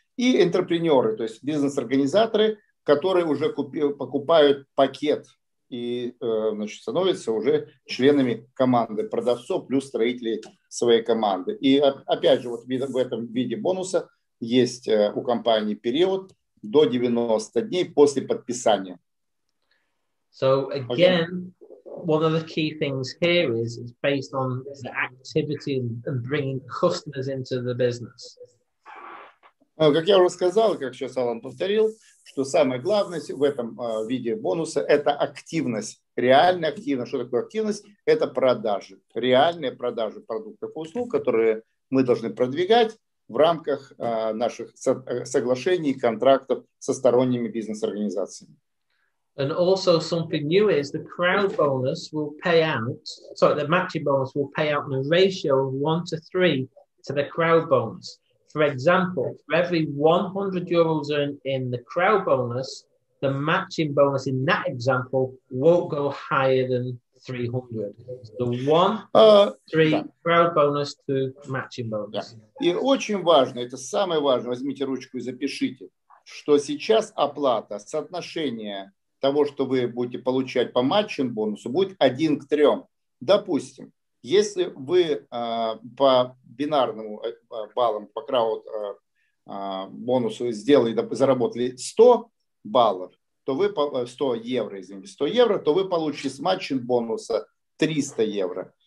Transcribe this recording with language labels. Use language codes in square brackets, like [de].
[ru] И интерпренеры, то есть бизнес-организаторы, которые уже покупают пакет и значит, становятся уже членами команды продавцов плюс строителей своей команды. И опять же, вот в этом виде бонуса есть у компании период до 90 дней после подписания. [en] So again... One of the key things here is it's based on the activity and bringing customers into the business. [ru] Как я уже сказал, как сейчас Алан повторил, что самое главное в этом виде бонуса – это активность, реальная активность. Что такое активность? Это продажи, реальные продажи продуктов и услуг, которые мы должны продвигать в рамках наших соглашений, контрактов со сторонними бизнес-организациями. [en] And also something new is the crowd bonus will pay out, sorry, the matching bonus will pay out in a ratio of 1-3 to the crowd bonus. For example, for every 100 euros earned in the crowd bonus, the matching bonus in that example won't go higher than 300. So 1-3 crowd bonus to matching bonus. [ru] И очень важно, это самое важное, возьмите ручку и запишите, что сейчас оплата, соотношение того, что вы будете получать по матчинг бонусу, будет 1-3. Допустим, если вы по бинарному баллам, по крауд бонусу сделали, заработали 100 баллов, то вы 100 евро, извините, 100 евро, то вы получите с матчинг бонуса 300 евро.